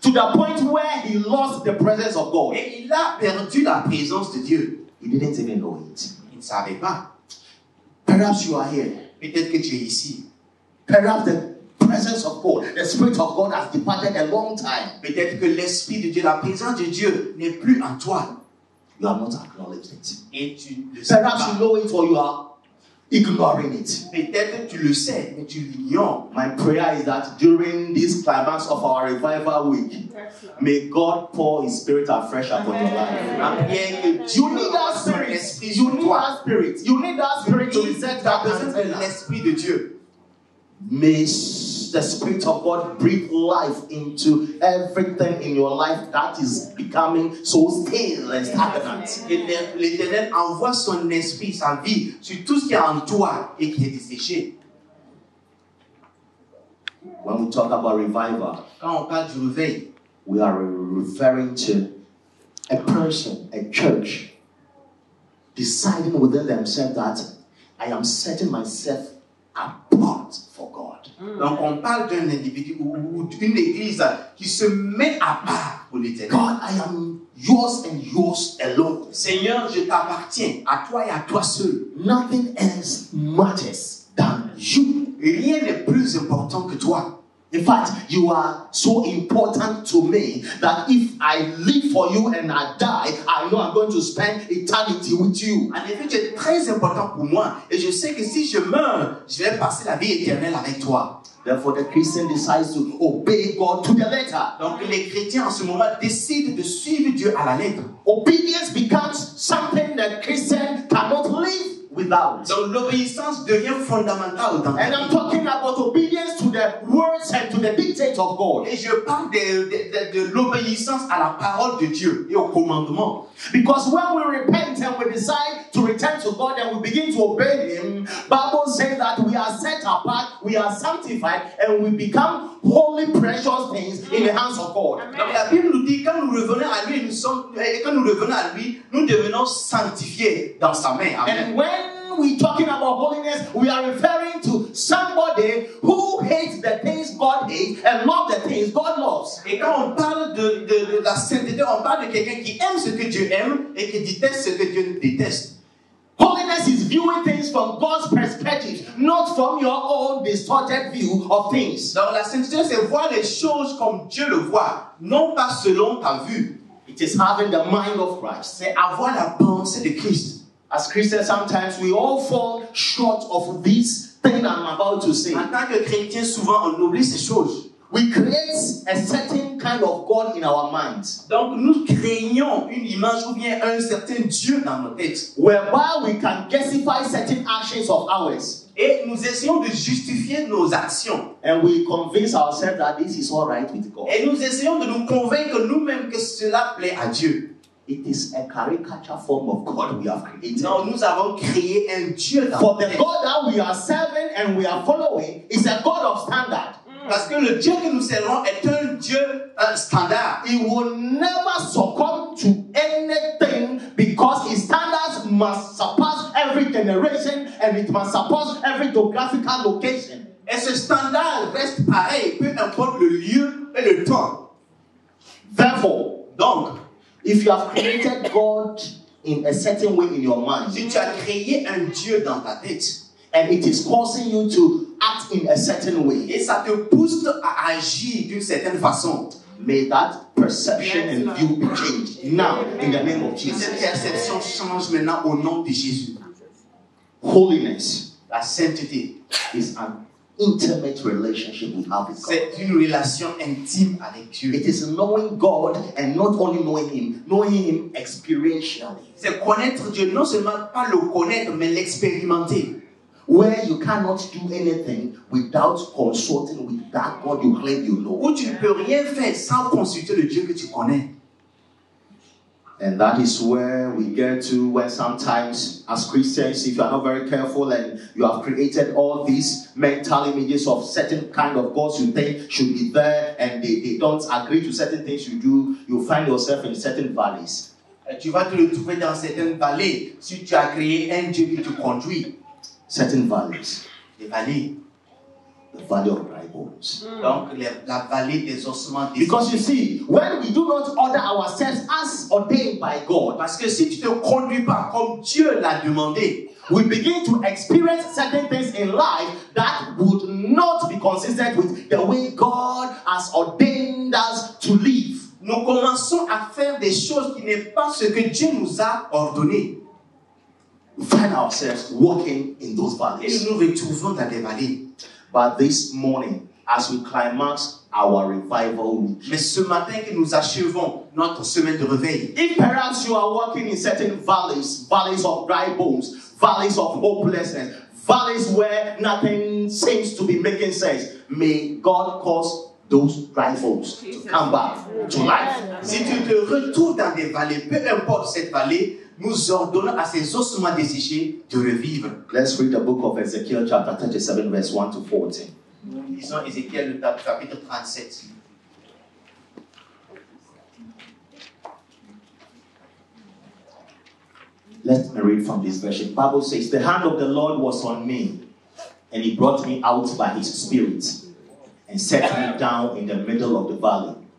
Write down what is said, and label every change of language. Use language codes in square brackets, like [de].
[en] To the point where he lost the presence of God. [fr] Et il a perdu la présence de Dieu. [en] He didn't even know it. [fr] Il ne savait pas. [en] Perhaps you are here. [fr] Peut-être que tu es ici. [en] Perhaps the presence of God, the Spirit of God has departed a long time. [fr] Peut-être que l'Esprit de Dieu, la présence de Dieu n'est plus en toi. [en] You have not acknowledged it. [fr] Et tu le sais. [en] Perhaps [fr] pas. [en] You know it or you are ignoring it. [fr] Peut-être que tu le sais, mais tu l'ignores. [en] My prayer is that during this climax of our revival week, may God pour His Spirit afresh upon your life. Amen. You need that Spirit. You need that Spirit. You need that Spirit to set that person. [fr] L'Esprit de Dieu. [en] May the Spirit of God breathe life into everything in your life that is becoming so stale and stagnant. [fr] L'Éternel envoie son esprit, sa vie, sur tout ce qui est en toi et qui est desséché. [en] When we talk about revival, [fr] quand on parle du réveil, [en] we are referring to a person, a church, deciding within themselves that I am setting myself apart for God. [fr] Donc on parle d'un individu ou d'une église qui se met à part pour l'Éternel. [en] God, I am yours and yours alone. [fr] Seigneur, je t'appartiens à toi et à toi seul. [en] Nothing else matters than you. [fr] Rien n'est plus important que toi. [en] In fact, you are so important to me that if I live for you and I die, I know I'm going to spend eternity with you. [fr] En effet, tu es très important pour moi et je sais que si je meurs, je vais passer la vie éternelle avec toi. [en] Therefore, the Christian decides to obey God to the letter. [fr] Donc, les chrétiens en ce moment décident de suivre Dieu à la lettre. [en] Obedience becomes something that Christians cannot live without. [fr] Donc l'obéissance devient fondamentale dans [en] And I'm talking about obedience to the words and to the dictate of God. [fr] Et je parle de l'obéissance à la parole de Dieu et au commandement. [en] Because when we repent and we decide to return to God and we begin to obey Him, Bible says that we are set apart, we are sanctified, and we become holy, precious things in the hands of God. Amen. [fr] La Bible nous dit quand nous revenons à lui, nous devenons sanctifiés dans sa main. Amen. [en] And when we're talking about holiness, we are referring to somebody who hates the things God hates and loves the things God loves. [fr] Et quand on parle de la sainteté, on parle de quelqu'un qui aime ce que Dieu aime et qui déteste ce que Dieu déteste. [en] Holiness is viewing things from God's perspective, not from your own distorted view of things. [fr] Donc la sainteté, c'est voir les choses comme Dieu le voit, non pas selon ta vue. [en] It is having the mind of Christ. [fr] C'est avoir la pensée de Christ. [en] As Christians, sometimes we all fall short of this thing I'm about to say. [fr] En tant que chrétien, souvent on oublie ces choses. [en] We create a certain kind of God in our minds. [fr] Donc nous créons une image ou bien un certain Dieu dans nos têtes. [en] Whereby we can justify certain actions of ours. [fr] Et nous essayons de justifier nos actions. [en] And we convince ourselves that this is all right with God. [fr] Et nous essayons de nous convaincre nous-mêmes que cela plaît à Dieu. [en] It is a caricature form of God we have created. [fr] Non, nous avons créé un Dieu. [en] For the God that we are serving and we are following is a God of standard. [fr] Parce que le Dieu que nous servons est un Dieu standard. [en] He will never succumb to anything because his standards must surpass every generation and it must surpass every geographical location. [fr] Et ce standard reste pareil peu importe le lieu et le temps. [en] Therefore, [fr] donc, [en] if you have created God in a certain way in your mind, [fr] si tu as créé un Dieu dans ta tête, [en] and it is causing you to act in a certain way, [fr] et ça te pousse à agir d'une certaine façon, [en] may that perception and view be changed now in the name of Jesus. [fr] Cette perception change maintenant au nom de Jésus. [en] Holiness, [fr] la sainteté, [en] is an intimate relationship we have with God. [fr] C'est une relation intime avec Dieu. [en] It is knowing God and not only knowing Him experientially. [fr] C'est connaître Dieu, non seulement pas le connaître, mais l'expérimenter. [en] Where you cannot do anything without consulting with that God you claim you know. [fr] Où tu ne peux rien faire sans consulter le Dieu que tu connais. [en] And that is where we get to, where sometimes as Christians, if you are not very careful and you have created all these mental images of certain kind of gods you think should be there and they don't agree to certain things you do, you'll find yourself in certain valleys. [fr] Et tu vas te retrouver dans certaines vallées si tu as créé un Dieu que tu conduis. [en] Certain valleys. [fr] Les vallées. [en] The valley of dry bones. [fr] Mm. Donc, la vallée des ossements. Des [en] because you see, when we do not order ourselves as ordained by God, [fr] parce que si tu te conduis pas comme Dieu l'a demandé, [en] we begin to experience certain things in life that would not be consistent with the way God has ordained us to live. [fr] Nous commençons à faire des choses qui n'est pas ce que Dieu nous a ordonné. [en] Find ourselves walking in those valleys. [fr] Et nous retrouvons dans des vallées. [en] But this morning, as we climax our revival week, [fr] mais ce matin que nous achevons notre semaine de réveil, [en] if perhaps you are walking in certain valleys, valleys of dry bones, valleys of hopelessness, valleys where nothing seems to be making sense, may God cause those dry bones to come back to life. [fr] Si tu te retrouves dans des vallées, peu importe cette vallée, nous ordonnons à ces ossements desséchés de revivre. [en] Let's read the book of Ezekiel, chapter 37, verse 1 to 14. [fr] Lisons Ezekiel, chapitre 37. [en] Let me read from this version. The Bible says, the hand of the Lord was on me, and he brought me out by his spirit, and set me down in the middle of the valley.